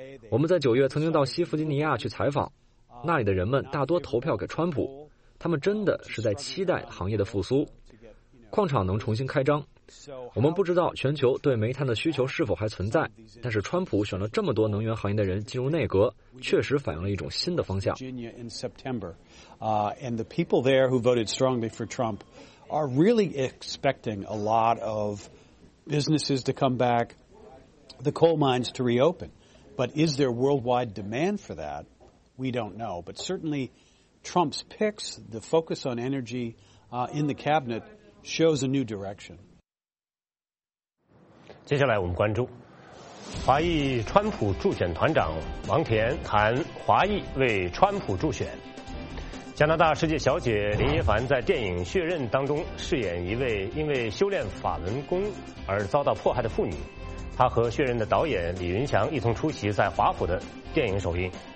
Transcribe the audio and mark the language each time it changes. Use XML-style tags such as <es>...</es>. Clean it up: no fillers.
<zh>我们在九月曾经到西弗吉尼亚去采访，那里的人们大多投票给川普，他们真的是在期待行业的复苏，矿场能重新开张。我们不知道全球对煤炭的需求是否还存在，但是川普选了这么多能源行业的人进入内阁，确实反映了一种新的方向。</zh> <en>Virginia in September, and the people there who voted strongly for Trump are really expecting a lot of businesses to come back, the coal mines to reopen. But is there worldwide demand for that? We don't know. But certainly, Trump's picks, the focus on energy, in the cabinet shows a new direction.</en> <zh>接下来我们关注华裔川普助选团长王田谈华裔为川普助选。加拿大世界小姐林一凡在电影《血刃》当中饰演一位因为修炼法轮功而遭到迫害的妇女，她和《血刃》的导演李云祥一同出席在华府的电影首映。</zh>